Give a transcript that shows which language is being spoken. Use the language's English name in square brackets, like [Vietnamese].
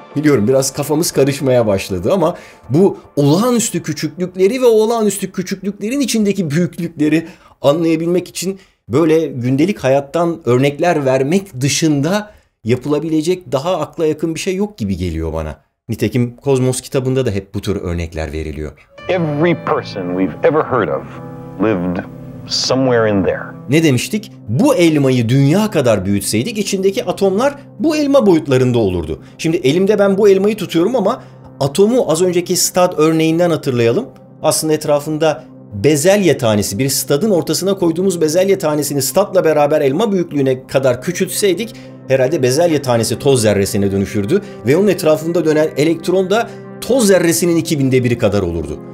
[Turkish] Biliyorum biraz kafamız karışmaya başladı ama bu olağanüstü küçüklükleri ve olağanüstü küçüklüklerin içindeki büyüklükleri anlayabilmek için böyle gündelik hayattan örnekler vermek dışında yapılabilecek daha akla yakın bir şey yok gibi geliyor bana. Nitekim Kozmos kitabında da hep bu tür örnekler veriliyor. [English] Every person we've ever heard of lived somewhere in there. [Turkish] Ne demiştik? Bu elmayı dünya kadar büyütseydik içindeki atomlar bu elma boyutlarında olurdu. Şimdi elimde ben bu elmayı tutuyorum ama atomu az önceki stad örneğinden hatırlayalım. Aslında etrafında bezelye tanesi, bir stadın ortasına koyduğumuz bezelye tanesini stadla beraber elma büyüklüğüne kadar küçültseydik herhalde bezelye tanesi toz zerresine dönüşürdü ve onun etrafında dönen elektron da toz zerresinin 2000'de biri kadar olurdu.